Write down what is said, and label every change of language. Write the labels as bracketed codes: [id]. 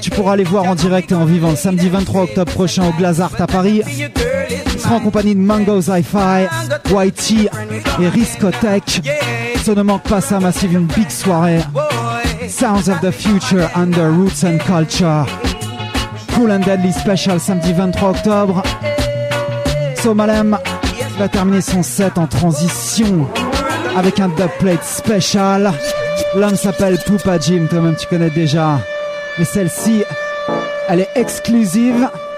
[fr] Tu pourras aller voir en direct et en vivant samedi 23 octobre prochain au Glazart à Paris. En compagnie de Mango Zi-Fi, YT et Riskotech. Ça ne manque pas ça, Massive, une big soirée. [en] Sounds of the future under Roots and Culture. [fr] Cool and Deadly Special samedi 23 octobre. So Malem va terminer son set en transition avec un dub plate special. L'homme s'appelle Poopa Jim, toi-même tu connais déjà. Mais celle-ci, elle est exclusive.